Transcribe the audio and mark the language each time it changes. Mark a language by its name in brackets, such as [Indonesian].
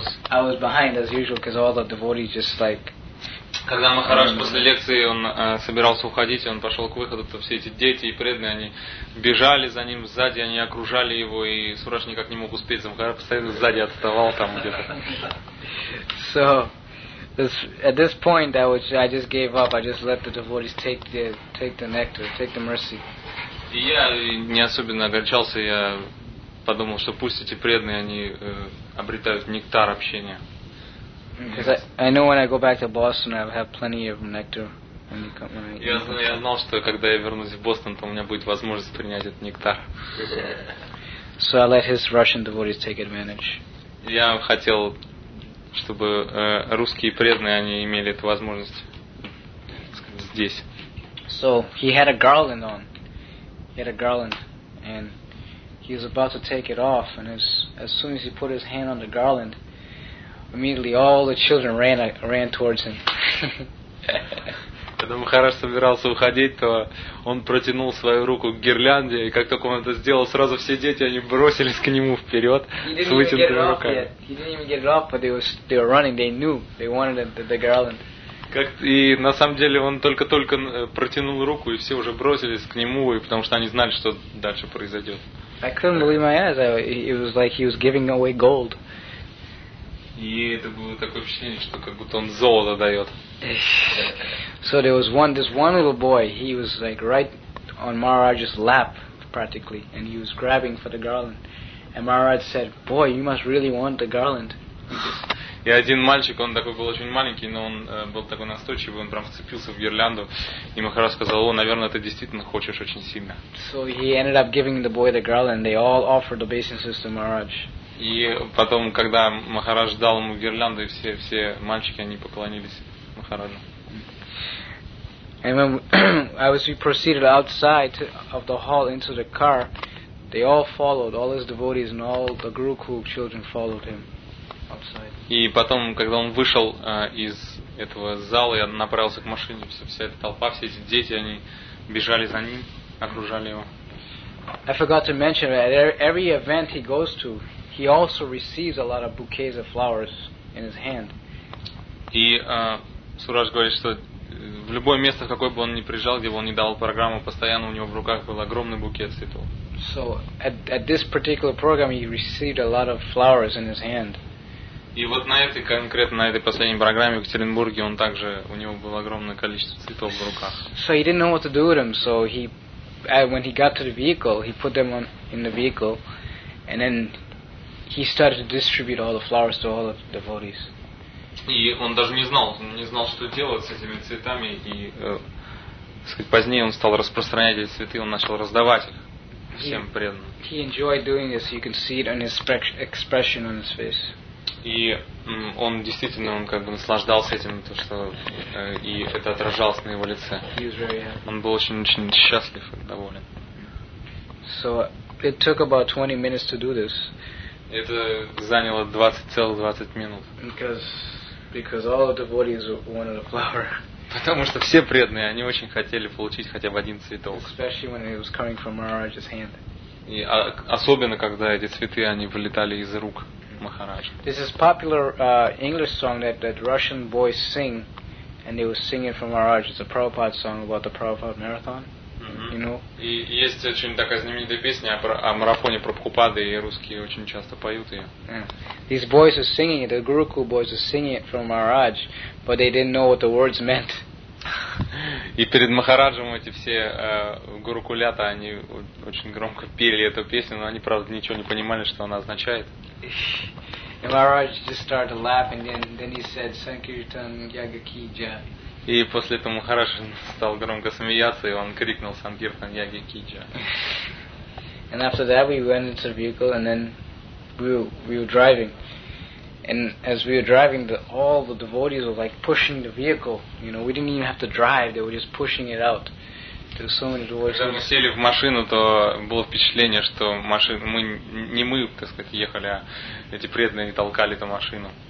[English] I was behind as usual because all the devotees just like. [Russian] Когда Махарадж после лекции он собирался уходить, он пошел к выходу, то все эти дети и преданные, они бежали за ним сзади, они окружали его, и Сураш никак не мог успеть, за Махарадж постоянно сзади отставал там где-то. [English] So at this point I just gave up, I just let the devotees take the nectar, take the mercy. [Russian] И я не особенно огорчался, я подумал, что пусть эти преданные, они обретают нектар общения. [English] Because I know when I go back to Boston, I'll have plenty of nectar when you come. [Russian] Я знал, что когда я вернусь в Бостон, то у меня будет возможность принять этот нектар. [English] So I let his Russian devotees take advantage. [Russian] Я хотел, чтобы русские преданные они имели эту возможность здесь. [English] So he had a garland on. He had a garland, and he was about to take it off, and as soon as he put his hand on the garland, immediately all the children ran towards him. [Russian] Когда Махарадж собирался уходить, то он протянул свою руку к гирлянде, и как только он это сделал, сразу все дети, они бросились к нему вперед с вытянутыми руками. [English] He didn't even get it off, but they were running, they knew, they wanted the garland. [Russian] Как, и на самом деле он только-только протянул руку, и все уже бросились к нему, и потому что они знали, что дальше произойдет. [English] I couldn't believe my eyes. It was like he was giving away gold. [Russian] И это было такое ощущение, что как будто он золото дает. [English] So there was one, this one little boy, he was like right on Maharaj's lap practically, and he was grabbing for the garland. And Maharaj said, boy, you must really want the garland. [Russian] И один мальчик, он такой был очень маленький, но он был такой настойчивый, он прям вцепился в гирлянду. И Махарадж сказал, о, наверное, ты действительно хочешь очень сильно. [English] So he ended up giving the boy the garland, they all offered obeisances to Maharaj. [Russian] И потом, когда Махарадж дал ему гирлянду, и все мальчики, они поклонились Махараджу. [English] And when as we proceeded outside of the hall into the car, they all followed, all his devotees and all the Gurukul children followed him outside. [Russian] И потом, когда он вышел из этого зала и направился к машине, вся эта толпа, все эти дети, они бежали за ним, окружали его. [English] I forgot to mention that every event he goes to, he also receives a lot of bouquets of flowers in his hand. [Russian] И Сураш говорит, что в любое место, в какое бы он ни приезжал, где бы он ни давал программу, постоянно у него в руках был огромный букет цветов. [English] So at this particular program he received a lot of flowers in his hand. [Russian] И вот на этой конкретно на этой последней программе в Екатеринбурге он также у него было огромное количество цветов в руках. [English] So he didn't know what to do with them, so he when he got to the vehicle, he put them on in the vehicle and then he started to distribute all the flowers to all of the devotees. [Russian] И он даже не знал, что делать с этими цветами, и сказать, позднее он стал распространять эти цветы, он начал раздавать их всем преданным. [English] He enjoyed doing this, you can see it on his expression on his face. [Russian] И он действительно, он как бы наслаждался этим, то, что и это отражалось на его лице. [English] He was very happy. [Russian] Он был очень-очень счастлив и доволен. [English] So it took about 20 minutes to do this. [Russian] Это заняло 20 минут. [English] Because all of the devotees wanted a flower. [Russian] Потому что все преданные, они очень хотели получить хотя бы один цветок. [English] Especially when it was coming from Maharaj's hand. [Russian] И особенно когда эти цветы они вылетали из рук Махараджа. [English] This is popular English song that Russian boys sing, and they were singing from Maharaj. It's a Prabhupada song about the Prabhupada marathon. You know? [Russian] И есть очень такая знаменитая песня о марафоне Прабхупады, и русские очень часто поют ее. [English] These boys are singing it, the Gurukul boys are singing it from Maharaj, but they didn't know what the words meant. [Russian] И перед Махараджем эти все гурукулята, они очень громко пели эту песню, но они, правда, ничего не понимали, что она означает. [English] And Maharaj just started laughing, then he said, Sankirtan Yagaki Jai. [Russian] И после этого Махарадж стал громко смеяться, и он крикнул «Санкиртан Яги Киджа». [English] And after that we went into the vehicle, and then we were driving. And as we were driving, all the devotees were like pushing the vehicle. You know, we didn't even have to drive, they were just pushing it out. There were so many devotees. [Russian] Когда мы сели в машину, то было впечатление, что машина, не мы, так сказать, ехали, а эти преданные толкали эту машину.